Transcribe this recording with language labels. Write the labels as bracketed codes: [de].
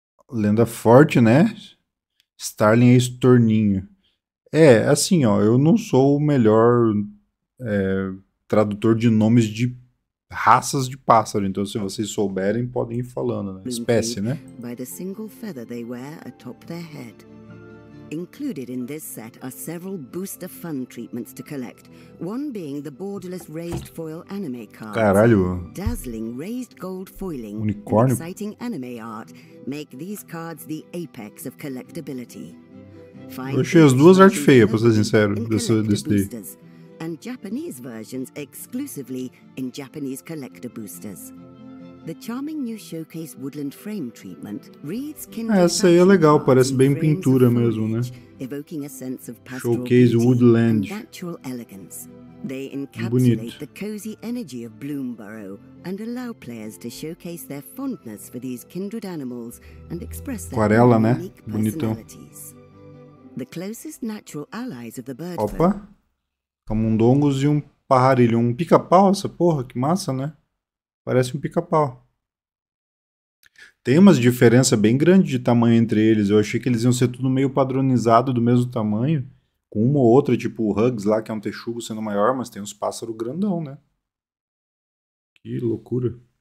[pt] Lenda forte, né? Starling Ace Torninho. É, assim, ó, eu não sou o melhor tradutor de nomes de raças de pássaro, então se vocês souberem, podem ir falando, né? Espécie, né? [en] By the single feather they wear atop their head. Included in this set are several booster fun treatments to collect, one being the borderless raised foil anime cards. [pt] Caralho. [en] Dazzling raised gold foiling [pt] Unicórnio. [en] And exciting anime art make these cards the apex of collectability. [pt] Eu achei as duas artes feias, pra ser sincero, desse daí. And Japanese versions exclusively in Japanese collector boosters. [en] The charming new showcase woodland frame treatment reads [pt] Essa aí é legal, parece bem pintura mesmo, né? [en] evoking a sense of Showcase Woodland. natural elegance. They [pt] Bonito. [en] encapsulate the cozy energy of Bloomburrow and allow players to showcase their fondness for these kindred animals and express their [pt] Aquarela, né? [en] unique [pt] Bonitão. [en] personalities. The closest natural allies of the bird folk. [pt] Opa. Camundongos e um pararilho. Um pica-pau, essa porra, que massa, né? Parece um pica-pau. Tem umas diferenças bem grandes de tamanho entre eles. Eu achei que eles iam ser tudo meio padronizado do mesmo tamanho. Com uma ou outra, tipo o Hugs lá, que é um texugo sendo maior, mas tem uns pássaros grandão, né? Que loucura.